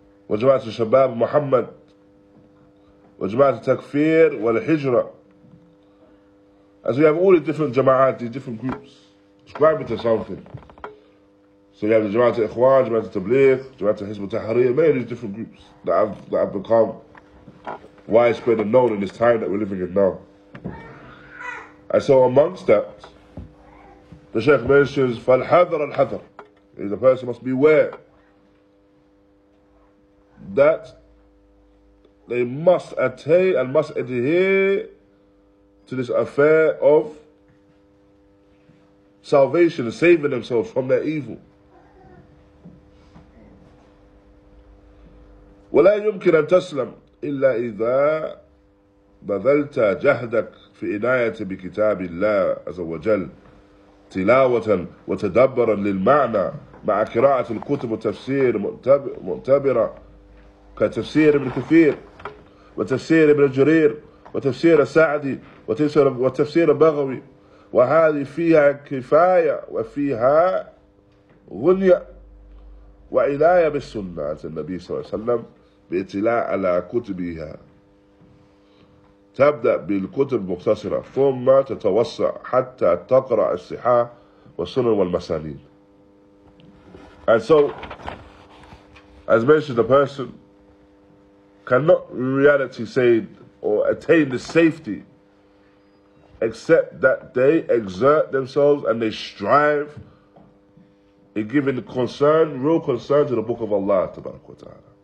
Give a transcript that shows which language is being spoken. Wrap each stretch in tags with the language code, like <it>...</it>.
<ar>وجماعة الشباب محمد وجماعة التكفير والهجرة.</ar> <en>As we have all the different jama'at, these different groups, describe it to something. So you have the جماعة الإخوان, جماعة التبليغ, جماعة الحزب التحرير, many of these different groups that have become widespread and known in this time that we're living in now. And so amongst that, the Sheikh mentions,</en> <ar>فالحذر الحذر.</ar> <en>The person must beware that they must attain and must adhere to this affair of salvation and saving themselves from their evil.</en> <ar>ولا يمكن أن تسلم إلا إذا بذلت جهدك في عناية بكتاب الله عز وجل تلاوة وتدبرا للمعنى مع قراءة الكتب التفسير معتبرة كتفسير ابن كثير وتفسير ابن جرير وتفسير السعدي وتفسير البغوي وهذه فيها كفاية وفيها غنية وعناية بالسنة النبي صلى الله عليه وسلم باطلاع على كتبها تبدأ بالكتب المختصرة ثم تتوسع حتى تقرأ الصحاح والسنن والمسانيد.</ar> <en>And so, as mentioned, the person cannot in reality say or attain the safety except that they exert themselves and they strive in giving concern, real concern to the Book of Allah tabarak wa ta'ala.</en>